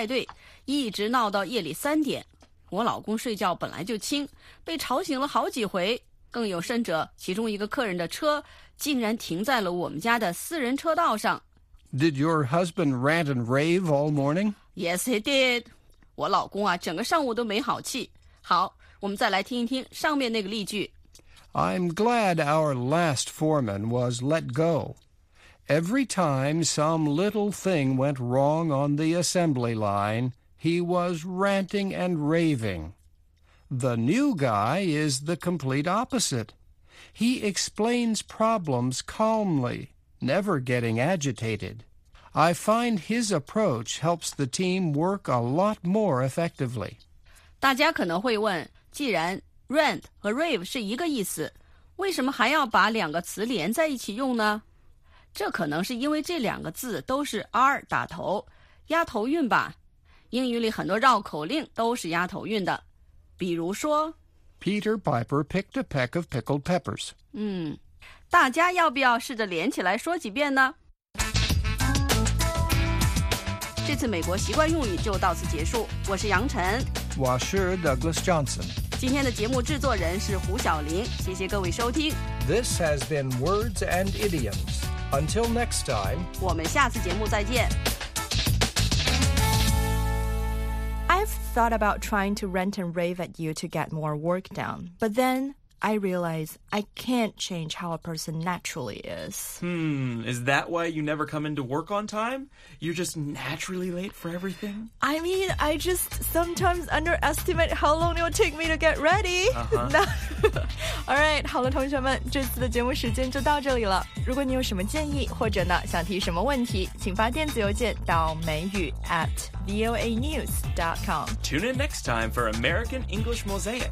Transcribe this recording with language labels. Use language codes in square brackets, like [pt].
[zh] 我们的上一个工头被解雇，我真是太高兴了。每次组装线出点什么样的小问题，他都要没完没了的骂了这个骂那个。新来的这个工头完全两样，他总是心平气和地说明情况，从不着急上火。我发现他的这种方式使我们的工作效率提高了很多。别人发火的时候，有的时候越劝越糟。上星期六邻居家开派对，一直闹到夜里三点。我老公睡觉本来就轻，被吵醒了好几回。更有甚者，其中一个客人的车竟然停在了我们家的私人车道上。 [en] Did your husband rant and rave all morning? Yes, he did. [zh] 我老公啊，整个上午都没好气。好，我们再来听一听上面那个例句。 [en] I'm glad our last foreman was let go. Every time some little thing went wrong on the assembly line, he was ranting and raving. The new guy is the complete opposite. He explains problems calmly, never getting agitated. I find his approach helps the team work a lot more effectively. [zh] 大家可能会问，既然rant和rave是一个意思，为什么还要把两个词连在一起用呢？这可能是因为这两个字都是R打头。押头韵吧。英语里很多绕口令都是押头韵的，比如说 [en] Peter Piper picked a peck of pickled peppers。 [zh] 大家要不要试着连起来说几遍呢？这次美国习惯用语就到此结束，我是杨晨，我是 Douglas Johnson。今天的节目制作人是胡晓玲，谢谢各位收听。 [en] This has been Words and Idioms. Until next time, [zh] 我们下次节目再见。 [en] I've thought about trying to rant and rave at you to get more work done, but then I realize I can't change how a person naturally is. Is that why you never come into work on time? You're just naturally late for everything? I mean, I just sometimes underestimate how long it will take me to get ready. All right, [zh] 好了，同学们，这次的节目时间就到这里了。如果你有什么建议，或者呢，想提什么问题，请发电子邮件到美语@voanews.com. [en] Tune in next time for American English Mosaic.